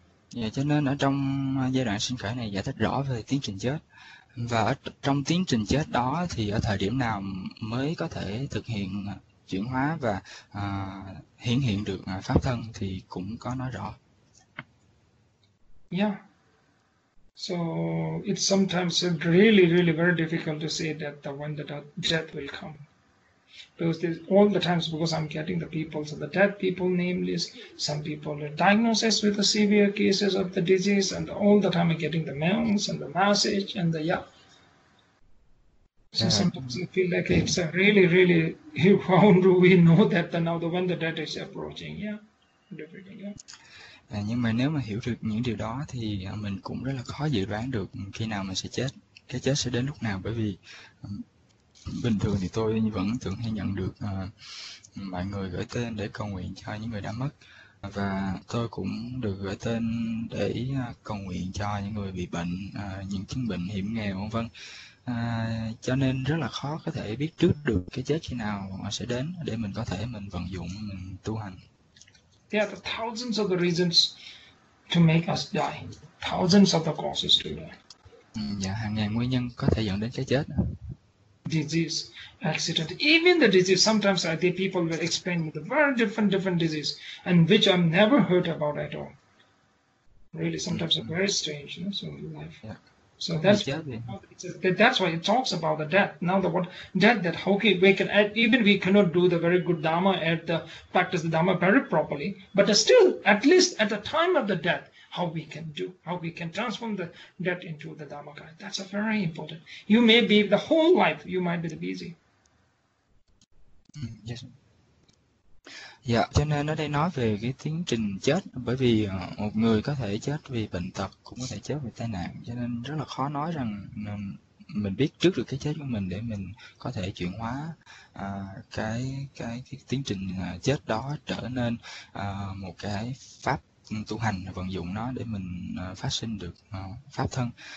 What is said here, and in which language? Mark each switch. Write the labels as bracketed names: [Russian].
[Vietnamese] Dạ, cho nên ở trong giai đoạn sinh khởi này giải thích rõ về tiến trình chết. Và ở trong tiến trình chết đó thì ở thời điểm nào mới có thể thực hiện chuyển hóa và hiển hiện được pháp thân thì cũng có nói rõ. [English] So it's sometimes really, really very difficult to say that the when the death will come. Because this, all the times, because I'm getting the people, so the dead people name list, some people are diagnosed with the severe cases of the disease, and all the time I'm getting the mails and the message, and the, yeah. So sometimes I feel like it's a really, really, how do we know that the, now the when the dead is approaching, [Vietnamese] À, nhưng mà nếu mà hiểu được những điều đó thì mình cũng rất là khó dự đoán được khi nào mình sẽ chết, cái chết sẽ đến lúc nào, bởi vì bình thường thì tôi vẫn thường hay nhận được mọi người gửi tên để cầu nguyện cho những người đã mất, và tôi cũng được gửi tên để cầu nguyện cho những người bị bệnh, những chứng bệnh hiểm nghèo vân vân. Cho nên rất là khó có thể biết trước được cái chết khi nào nó sẽ đến để mình có thể mình vận dụng, mình tu hành. [English] There are thousands of the reasons to make us die. Thousands of the causes to die. [Vietnamese] Dạ, hàng ngàn nguyên nhân có thể dẫn đến cái chết. [English] Disease, accident, even the disease. Sometimes I think people will explain the very different disease and which I've never heard about at all. Really, sometimes it's very strange, you know, so in life. Yeah. So that's why it talks about the death. Now the word death, that okay, we can add, even we cannot do the very good dharma at the practice the dharma very properly, but still at least at the time of the death, how we can do, how we can transform the death into the dharmakaya. That's a very important. You may be the whole life, you might be the busy. Yes. [Vietnamese] Dạ, cho nên ở đây nói về cái tiến trình chết, bởi vì một người có thể chết vì bệnh tật, cũng có thể chết vì tai nạn, cho nên rất là khó nói rằng mình biết trước được cái chết của mình để mình có thể chuyển hóa cái tiến trình chết đó trở nên một cái pháp tu hành, vận dụng nó để mình phát sinh được pháp thân.